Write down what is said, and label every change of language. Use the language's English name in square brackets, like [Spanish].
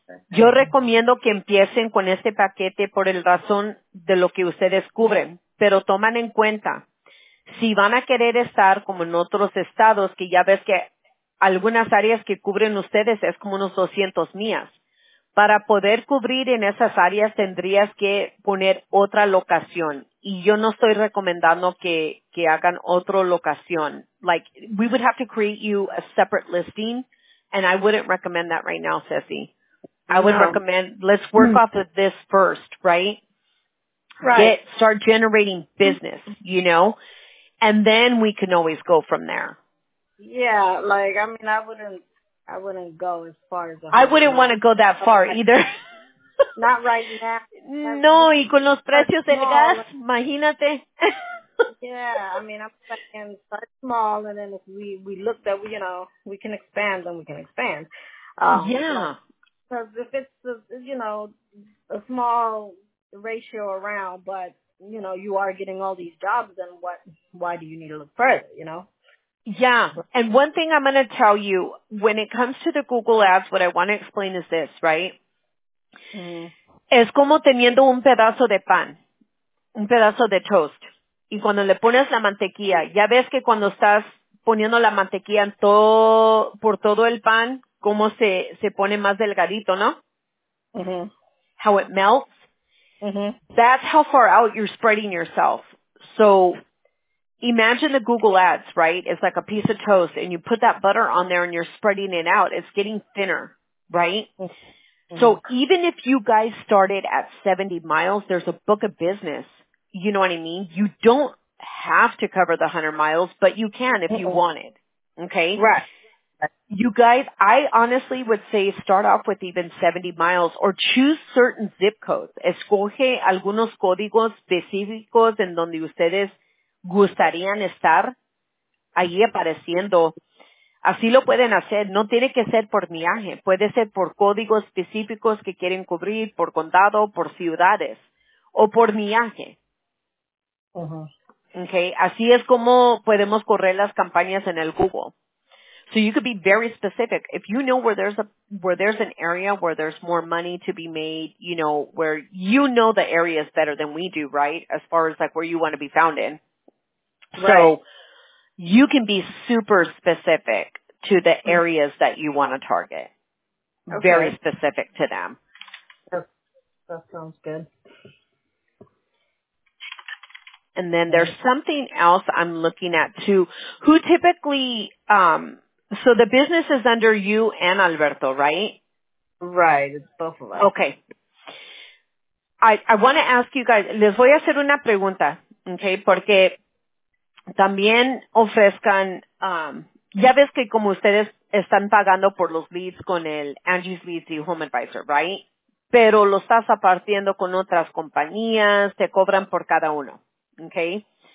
[Spanish] Yo recomiendo que empiecen con este paquete por el razón de lo que ustedes cubren, pero toman en cuenta, si van a querer estar como en otros estados, que ya ves que algunas áreas que cubren ustedes es como unos 200 millas, para poder cubrir en esas áreas tendrías que poner otra locación, y yo no estoy recomendando que hagan otra locación. [English] Like, we would have to create you a separate listing, and I wouldn't recommend that right now, Ceci. I would recommend, let's work off of this first, right? Right. Start generating business, you know? And then we can always go from there. Yeah, like, I mean, I wouldn't go as far as... I wouldn't want to go that far either. Not right now. [Spanish] No, y con los precios del gas, imagínate. [English] Yeah, I mean, I'm saying start small, and then if we look that, you know, we can expand, then we can expand. Yeah. Because if it's, you know, a small ratio around, but, you know, you are getting all these jobs, then why do you need to look further, you know? Yeah. And one thing I'm going to tell you, when it comes to the Google ads, what I want to explain is this, right? Mm-hmm. [Spanish] Es como teniendo un pedazo de pan, un pedazo de toast. Y cuando le pones la mantequilla, ya ves que cuando estás poniendo la mantequilla en todo, por todo el pan, cómo se pone más delgadito, ¿no? Mm-hmm. [English] How it melts. Mm-hmm. That's how far out you're spreading yourself. So imagine the Google ads, right? It's like a piece of toast, and you put that butter on there, and you're spreading it out. It's getting thinner, right? Mm-hmm. So even if you guys started at 70 miles, there's a book of business. You know what I mean? You don't have to cover the 100 miles, but you can if you want it, okay? Right. You guys, I honestly would say start off with even 70 miles or choose certain zip codes. [Spanish] Escoge algunos códigos específicos en donde ustedes gustarían estar ahí apareciendo. Así lo pueden hacer. No tiene que ser por viaje. Puede ser por códigos específicos que quieren cubrir, por condado, por ciudades o por viaje. Okay. Así es como podemos correr las campañas en el Google. [English] So you could be very specific. If you know where there's a, where there's an area where there's more money to be made, you know, where you know the area is better than we do, right? As far as like where you want to be found in. Right. So you can be super specific to the areas that you want to target. Okay. Very specific to them. That sounds good. And then there's something else I'm looking at too. Who typically, so the business is under you and Alberto, right? Right, it's both of us. Okay. I want to ask you guys, [Spanish] les voy a hacer una pregunta, okay, porque también ofrezcan, ya ves que como ustedes están pagando por los leads con el Angie's Leads y Home Advisor, [English] right? [Spanish] Pero lo estás apartiendo con otras compañías, te cobran por cada uno, [English] okay?